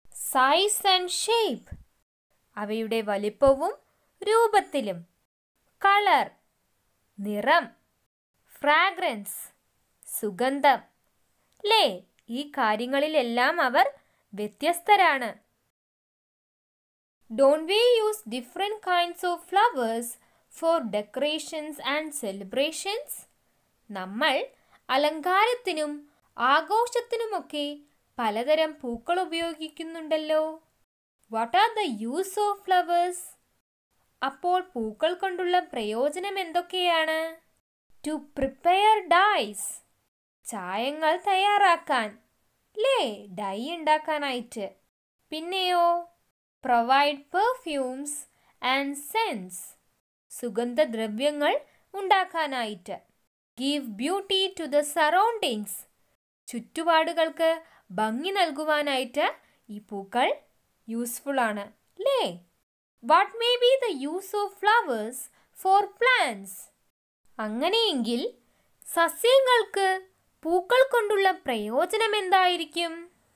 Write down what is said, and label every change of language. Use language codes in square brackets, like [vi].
[en] size and shape, [ml] അവയുടെ വലിപ്പവും രൂപത്തിലും. കളർ, നിറം. ഫ്രാഗ്രൻസ്, സുഗന്ധം. ലേ, ഈ കാര്യങ്ങളിലെല്ലാം അവർ വ്യത്യസ്തരാണ്. [en] Don't we use different kinds of flowers for decorations and celebrations? [ml] നമ്മൾ അലങ്കാരത്തിനും ആഘോഷത്തിനുമൊക്കെ പലതരം പൂക്കൾ ഉപയോഗിക്കുന്നുണ്ടല്ലോ. [en] What are the use of flowers? [ml] അപ്പോൾ പൂക്കൾ കൊണ്ടുള്ള പ്രയോജനം എന്തൊക്കെയാണ്? [en] To prepare dyes, [ml] ചായങ്ങൾ തയ്യാറാക്കാൻ. ലേ, ഡൈ ഉണ്ടാക്കാനായിട്ട്. പിന്നെയോ? [en] Provide perfumes and scents, [ml] സുഗന്ധദ്രവ്യങ്ങൾ ഉണ്ടാക്കാനായിട്ട്. [en] Give beauty to the surroundings, [ml] ചുറ്റുപാടുകൾക്ക് ഭംഗി നൽകുവാനായിട്ട് ഈ പൂക്കൾ യൂസ്ഫുൾ ആണ്. [en] ലേ, what may be the use of flowers for plants? [ml] അങ്ങനെയെങ്കിൽ സസ്യങ്ങൾക്ക് പൂക്കൾ കൊണ്ടുള്ള പ്രയോജനം എന്തായിരിക്കും?